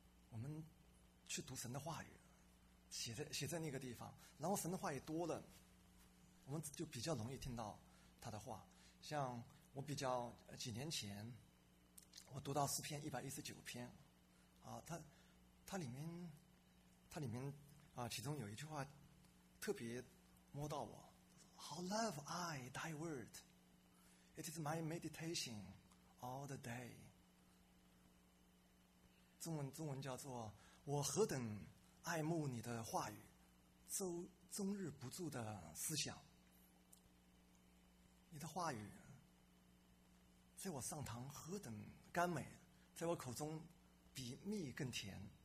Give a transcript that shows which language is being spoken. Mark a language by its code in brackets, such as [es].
[zh] 我们去读神的话语，写在那个地方，然后神的话语多了，我们就比较容易听到他的话。像我比较几年前我读到诗篇119篇啊，它里面啊，其中有一句话特别摸到我。 [en] How love I thy word, it is my meditation all the day. [zh] 中文叫做我何等爱慕你的话语，终日不住的思想。你的话语在我上堂何等甘美，在我口中比蜜更甜。